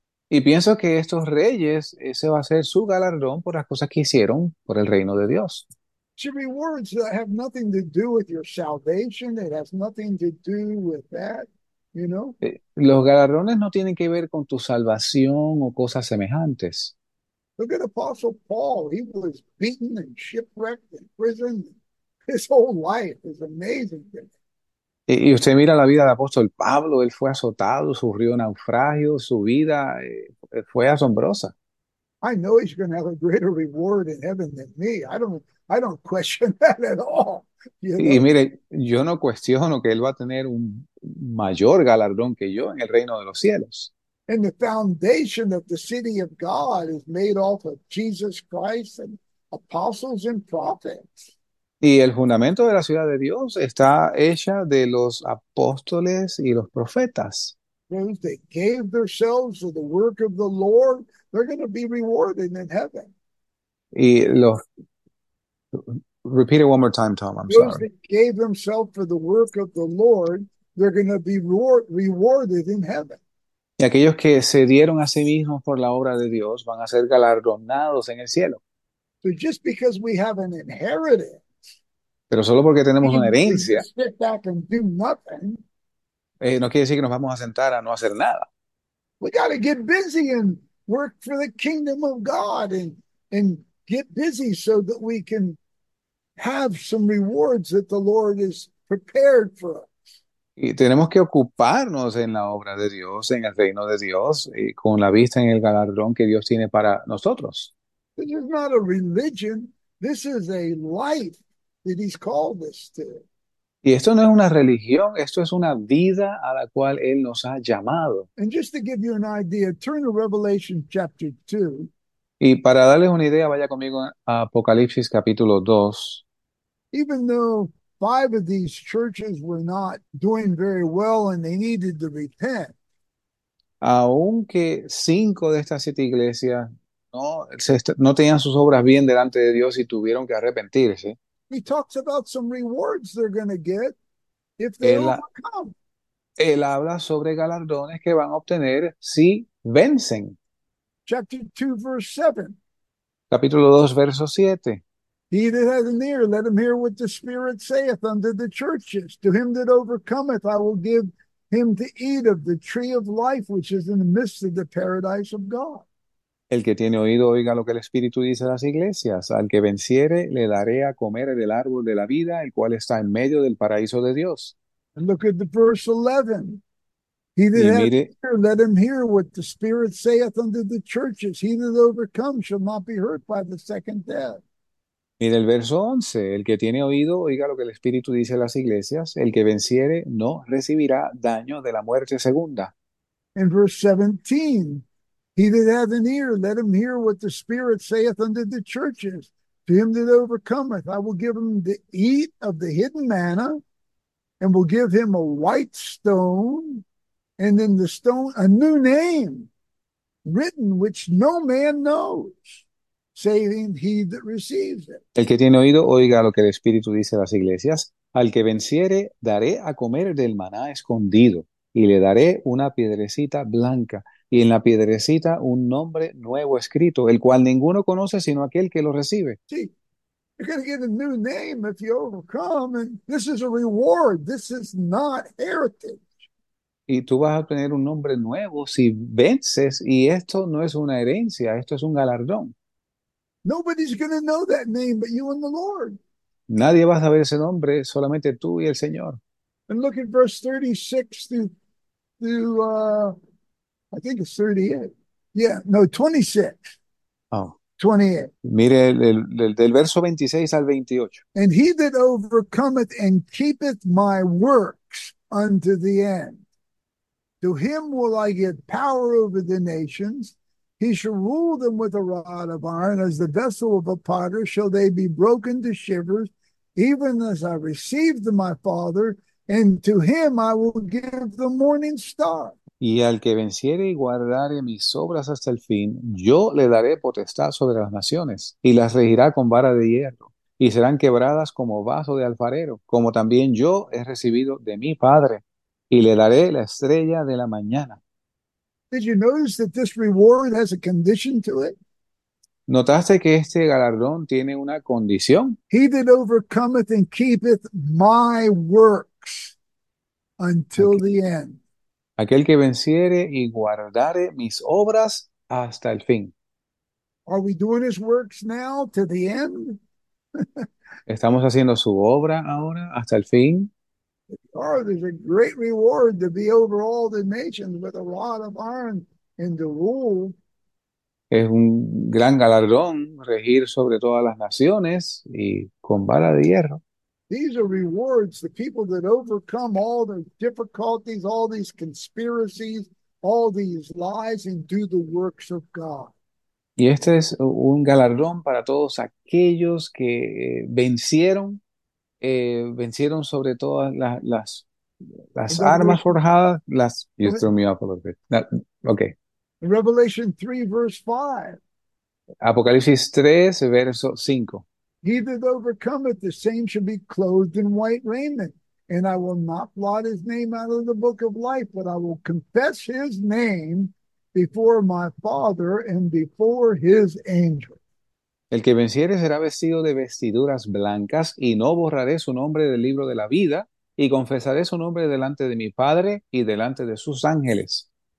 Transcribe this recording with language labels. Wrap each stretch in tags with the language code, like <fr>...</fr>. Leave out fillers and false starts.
<es>Y pienso que estos reyes, ese va a ser su galardón por las cosas que hicieron por el reino de Dios.</es> <en>See, rewards that have nothing to do with your salvation, it has nothing to do with that, you know.</en> <es>Los galardones no tienen que ver con tu salvación o cosas semejantes.</es> <en>Look at Apostle Paul. He was beaten and shipwrecked in prison. His whole life is amazing to me.</en> <es>Y usted mira la vida del apóstol Pablo, él fue azotado, sufrió naufragio, su vida fue asombrosa.</es> <en>I know he's going to have a greater reward in heaven than me. I don't question that at all, you</en> <es>Y</es> <en>know.</en> <es>mire, yo no cuestiono que él va a tener un mayor galardón que yo en el reino de los cielos.</es> <en>And the foundation of the city of God is made off of Jesus Christ and apostles and prophets.</en> <es>Y el fundamento de la ciudad de Dios está hecha de los apóstoles y los profetas.</es> <en>Those that gave themselves to the work of the Lord, they're going to be rewarded in heaven.</en> <es>Y los</es> <en>repeat it one more time, Tom, I'm Those that gave themselves for the work of the Lord, they're going to be rewarded in heaven.</en> <es>Y aquellos que se dieron a sí mismos por la obra de Dios van a ser galardonados en el cielo.</es> <en>So just because we have an inheritance</en> <es>Pero solo porque tenemos una</es> <en>means we</en> <es>herencia,</es> <en>just sit back and do nothing.</en> <es>no quiere decir que nos vamos a sentar a no hacer nada.</es> <en>We got to get busy and work for the kingdom of God and get busy so that we can have some rewards that the Lord has prepared for us.</en> <es>Y tenemos que ocuparnos en la obra de Dios, en el reino de Dios, y con la vista en el galardón que Dios tiene para nosotros.</es> <en>This is not a religion. This is a life that he's called us to.</en> <es>Y esto no es una religión, esto es una vida a la cual Él nos ha llamado.</es> <en>And just to give you an idea, turn to Revelation chapter 2.</en> <es>Y para darles una idea, vaya conmigo a Apocalipsis capítulo 2.</es> <en>Even though five of these churches were not doing very well and they needed to repent,</en> <es>Aunque cinco de estas siete iglesias no tenían sus obras bien delante de Dios y tuvieron que arrepentirse,</es> <en>he talks about some rewards they're going to get if they overcome.</en> <es>él habla sobre galardones que van a obtener si vencen.</es> <en>Chapter 2, verse 7.</en> <es>Capítulo 2, verso 7.</es> <en>He that hath an ear, let him hear what the Spirit saith unto the churches. To him that overcometh, I will give him to eat of the tree of life, which is in the midst of the paradise of God.</en> <es>El que tiene oído, oiga lo que el Espíritu dice a las iglesias. Al que venciere, le daré a comer del árbol de la vida, el cual está en medio del paraíso de Dios.</es> <en>And look at the verse 11. He</en> <es>Y</es> <en>that hath</en> <es>mire.</es> <en>Let him hear what the Spirit saith unto the churches. He that overcomes shall not be hurt by the second death.</en> <es>Mire el verso 11. El que tiene oído, oiga lo que el Espíritu dice a las iglesias. El que venciere, no recibirá daño de la muerte segunda.</es> <en>In verse 17, he that hath an ear, let him hear what the Spirit saith unto the churches. To him that overcometh, I will give him to eat of the hidden manna, and will give him a white stone. And then the stone, a new name written, which no man knows, saving he that receives it.</en> <es>El que tiene oído, oiga lo que el Espíritu dice a las iglesias. Al que venciere, daré a comer del maná escondido y le daré una piedrecita blanca y en la piedrecita un nombre nuevo escrito, el cual ninguno conoce sino aquel que lo recibe. Sí,</es> <en>You're going to get a new name if you overcome, and this is a reward. This is not heritage.</en> <es>Y tú vas a obtener un nombre nuevo si vences, y esto no es una herencia, esto es un galardón.</es> <en>Nobody's going to know that name but you and the Lord.</en> <es>Nadie va a saber ese nombre, solamente tú y el Señor.</es> <en>And look at verse 36 I think it's 38. Yeah, no, 26. 28.</en> <es>Mire, del verso 26 al 28.</es> <en>And he that overcometh and keepeth my works unto the end, to him will I give power over the nations. He shall rule them with a rod of iron, as the vessel of a potter shall they be broken to shivers, even as I received my father, and to him I will give the morning star.</en> <es>Y al que venciere y guardare mis obras hasta el fin, yo le daré potestad sobre las naciones, y las regirá con vara de hierro, y serán quebradas como vaso de alfarero, como también yo he recibido de mi padre, y le daré la estrella de la mañana.</es> <en>Did you notice that this reward has a condition to it?</en> <es>¿Notaste que este galardón tiene una condición?</es> <en>He that overcometh and keepeth my works until</en> <es>Aquí.</es> <en>the end.</en> <es>Aquel que venciere y guardare mis obras hasta el fin.</es> <en>Are we doing his works now to the end?</en> <es>¿Estamos haciendo su obra ahora hasta el fin?</es> <en>Oh, there's a great reward to be over all the nations with a rod of iron and to rule.</en> <es>Es un gran galardón regir sobre todas las naciones y con vara de hierro.</es> <en>These are rewards, the people that overcome all the difficulties, all these conspiracies, all these lies, and do the works of God.</en> <es>Y este es un galardón para todos aquellos que vencieron, vencieron sobre todas las armas forjadas, las.</es> <en>You threw me off a little bit. Okay. Revelation 3, verse 5.</en> <es>Apocalipsis 3, verso 5.</es> <en>He that overcometh, the same shall be clothed in white raiment, and I will not blot his name out of the book of life, but I will confess his name before my Father and before his angels.</en> <es>El que venciere será vestido de vestiduras blancas y no borraré su nombre del libro de la vida y confesaré su nombre delante de mi Padre y delante de sus ángeles.</es>